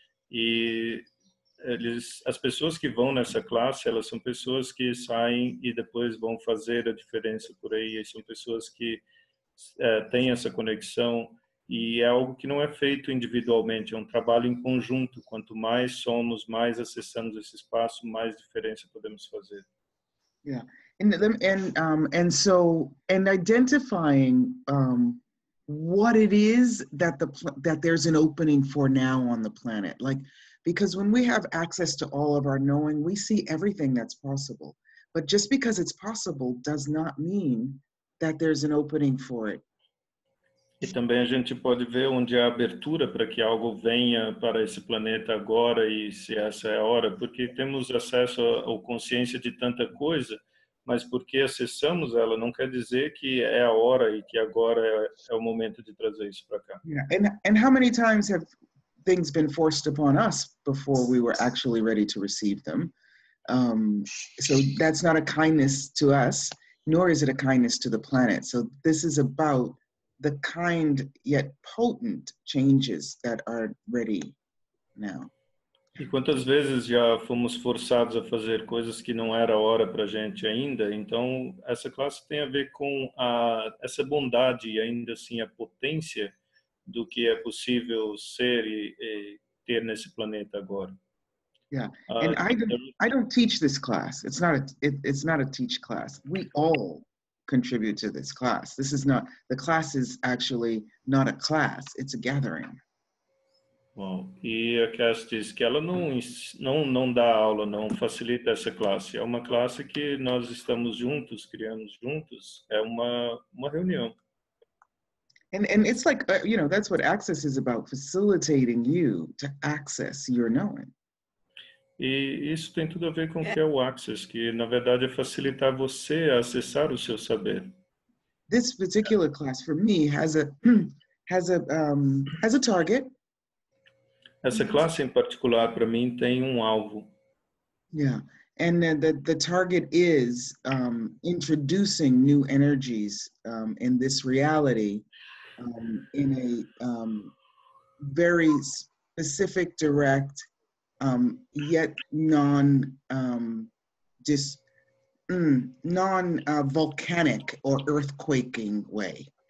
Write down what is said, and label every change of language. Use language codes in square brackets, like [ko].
[pt] E as pessoas que vão nessa classe, elas são pessoas que saem e depois vão fazer a diferença por aí. E são pessoas que têm essa conexão. E é algo que não é feito individualmente, é um trabalho em conjunto. Quanto mais somos, mais acessamos esse espaço, mais diferença podemos fazer. [en] Yeah, and identifying what it is that there's an opening for now on the planet, like, because when we have access to all of our knowing, we see everything that's possible. But just because it's possible does not mean that there's an opening for it. [pt] E também a gente pode ver onde há abertura para que algo venha para esse planeta agora e se essa é a hora, porque temos acesso ou consciência de tanta coisa, mas porque acessamos ela não quer dizer que é a hora e que agora é o momento de trazer isso para cá. [en] Yeah. And how many times have things been forced upon us before we were actually ready to receive them? So that's not a kindness to us, nor is it a kindness to the planet. So this is about the kind yet potent changes that are ready now. [pt] E quantas vezes já fomos forçados a fazer coisas que não era hora para a gente ainda? Então, essa classe tem a ver com a, essa bondade e ainda assim a potência do que é possível ser e ter nesse planeta agora. [en] Yeah, and I don't teach this class. It's not a teach class. We all contribute to this class. This is not, the class is actually not a class, it's a gathering. [pt] Bom, e a Cass diz que ela não dá aula, não facilita essa classe. É uma classe que nós estamos juntos, criamos juntos. É uma reunião. [en] And it's like, you know, that's what access is about, facilitating you to access your knowing. [pt] E isso tem tudo a ver com o que é o access, que na verdade é facilitar você a acessar o seu saber. [en] This particular class for me has a target. [pt] Essa classe em particular para mim tem um alvo. [en] Yeah, and the target is introducing new energies in this reality in a very specific, direct, yet non-volcanic or earthquaking way.